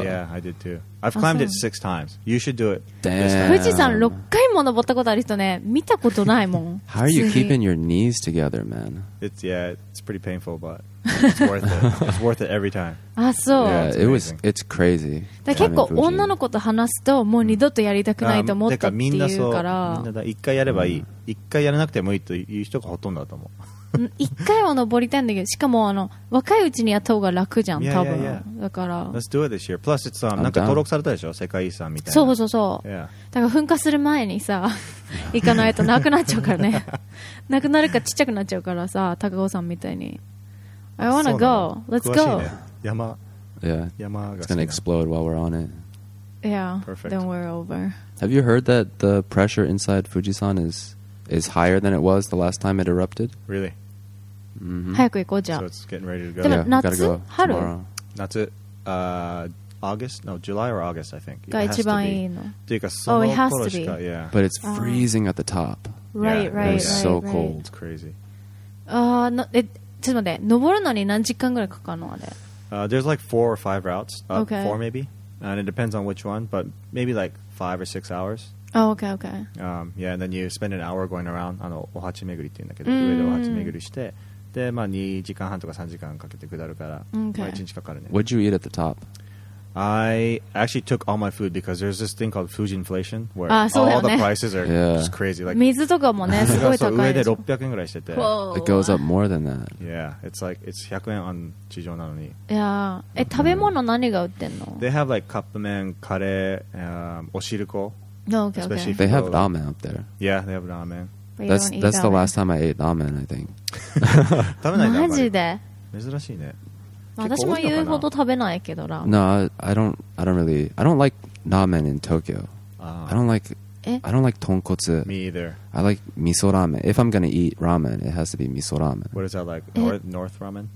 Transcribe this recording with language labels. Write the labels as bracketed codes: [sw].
[en] Yeah, yeah, I did too I've climbed it 6 times You should do it Damn [ja] 富士山6回も登ったことある人ね見たことないもん [en] How are you keeping your knees together, man? It's, yeah, it's pretty painful, butIt's worth it every time. [ja] あ、そう。 [en] Yeah, it was. It's crazy. [ja] だ結構女の子と話すともう二度とやりたくないと思ったっていうから。みんなだ。一回やればいい。一回やらなくてもいいという人がほとんどだと思う。一回は登りたいんだけど、しかもあの若いうちにやった方が楽じゃん。多分。だから。 [en] Let's do it this year. Plus, it's [ja] なんか登録されたでしょ。世界遺産みたいな。そうそうそう。 [en] Yeah. [ja] だから噴火する前にさ、行かないとなくなっちゃうからね。なくなるかちっちゃくなっちゃうからさ、高尾さんみたいに。 [en] I want to go. Let's go. [ja] 山。 [en] Yeah. [ja] 山 [en] が。It's gonna explode while we're on it. Yeah. Perfect. Then we're over. Have you heard that the pressure inside Fujisan is higher than it was the last time it erupted? Really? [ja] Mm-hmm. 早く行こうじゃん。 [en] So it's getting ready to go. [ja] でも夏？ [en] Yeah, gotta go tomorrow. 夏？August? No, July or August, I think. [ja] が一番いいの。というかその頃しか、 [en] oh, it has to be. Yeah. But it's freezing at the top. Right, yeah. right, it's It's so right. cold. It's crazy. [ja] ちょっと待って、登るのに何時間ぐらいかかるのあれ [en] There's like 4 or 5 routes. Okay. 4 maybe. And it depends on which one, but maybe like 5 or 6 hours. Oh, okay, okay. Yeah, and then you spend an hour going around. [ja] あの、おはち巡りって言うんだけど、上でおはち巡りして、で、まあ2時間半とか3時間かけて下るから、 [en] okay. [ja] まあ1日かかるね。 [en] What'd you eat at the top? I actually took all my food because there's this thing called Fujinflation where all the prices are just crazy. Like, [ja] 水とかもね、すごい高いで。上で600円ぐらいしてて。 [en] It goes up more than that. Yeah, it's like, it's 100円on [ja] 地上なのに。 [en] Yeah. [ja] え、食べ物何が売ってんの? [en] They have like [ja] カップ麺、カレー、おしるこ。 [en] No, okay, okay. They have ramen up there. Yeah, they have ramen. That's the last time I ate ramen, I think. [ja] 食べないで、マジで。珍しいね。私も言うほど食べないけどラーメン。 [en] No, I don't really. I don't like ramen in Tokyo. I don't like tonkotsu. Me either. I like miso ramen. If I'm gonna eat ramen, it has to be miso ramen. What is that like? North ramen?